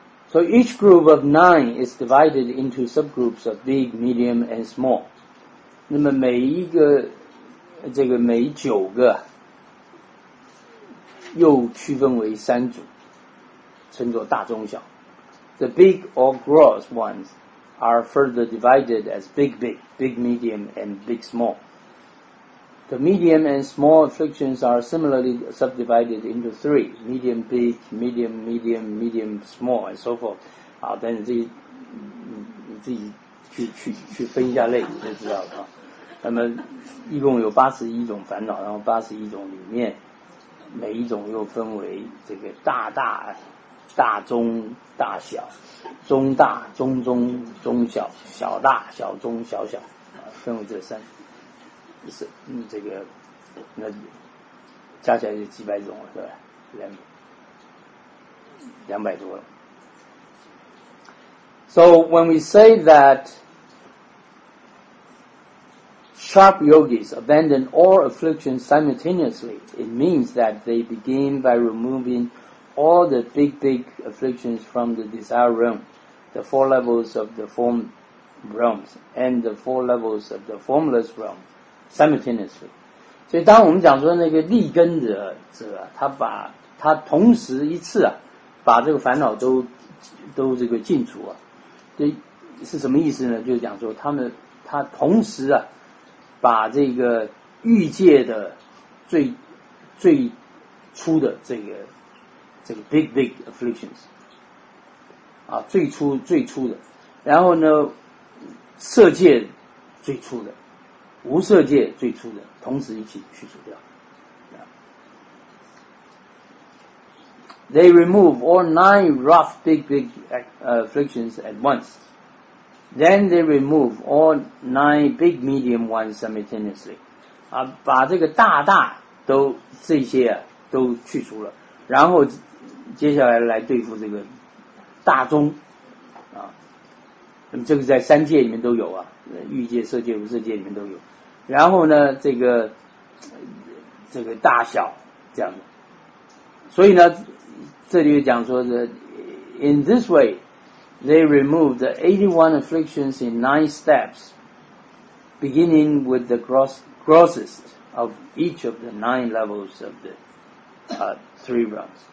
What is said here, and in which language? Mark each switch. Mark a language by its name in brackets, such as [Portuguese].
[English] So each group of nine is divided into subgroups of big, medium, and small。 [Chinese] 那么每一个这个每九个又区分为三组，称作大中小。 [English] The big or gross ones are further divided as big, big, big, medium, and big, small. The medium and small afflictions are similarly subdivided into three: medium, big, medium, medium, medium, small, and so forth. [Chinese] 好，但是自己去分一下类你就知道了。那么一共有八十一种烦恼，然后八十一种里面每一种又分为这个大大大中大小，中大中中中小，小大小中小小，分为这三，是这个那加起来就几百种了，是吧？两百多了。 [English] So when we say that sharp yogis abandon all afflictions simultaneously, it means that they begin by removing all the big, big afflictions from the desire realm, the four levels of the form realms, and the four levels of the formless realm simultaneously. [Chinese] 所以当我们讲说那个立根者啊，他同时一次啊，把这个烦恼都这个净除啊，这是什么意思呢？就是讲说他同时啊，把这个欲界的最初的这个 [English] big big afflictions [Chinese] 啊，最初的，然后呢色界最初的，无色界最初的，同时一起去除掉。 [English] They remove all nine rough big big afflictions at once. Then they remove all nine big medium ones simultaneously. [Chinese] 啊，把这个大大都这些啊都去除了，然后接下来来对付这个大中啊。那么这个在三界里面都有啊，欲界、色界、无色界里面都有。然后呢，这个大小这样子。所以呢，这里讲说是 [English] in this way. They remove the 81 afflictions in 9 steps, beginning with the grossest of each of the 9 levels of the 3 realms.